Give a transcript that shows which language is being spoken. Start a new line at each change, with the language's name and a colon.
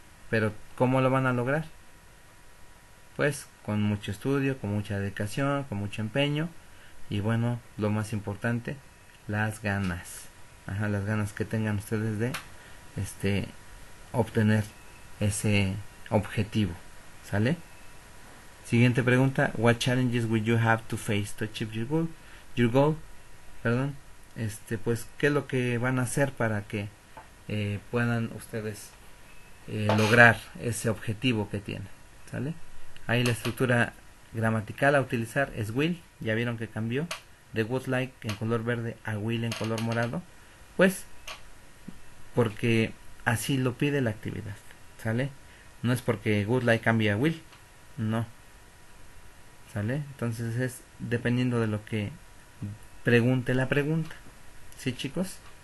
Spanish: Pero ¿cómo lo van a lograr? Pues con mucho estudio, con mucha dedicación, con mucho empeño y bueno, lo más importante, las ganas. Ajá, las ganas que tengan ustedes de obtener ese objetivo. ¿Sale? Siguiente pregunta,
English: what challenges would you have to face to achieve your goal?
Spanish: Perdón. Pues, ¿qué es lo que van a hacer para que puedan ustedes lograr ese objetivo que tienen? ¿Sale? Ahí la estructura gramatical a utilizar es will. Ya vieron que cambió de would like en color verde a will en color morado. Pues, porque así lo pide la actividad. ¿Sale? No es porque would like cambie a will. No. ¿Sale? Entonces es dependiendo de lo que pregunte la pregunta. ¿Sí, chicos?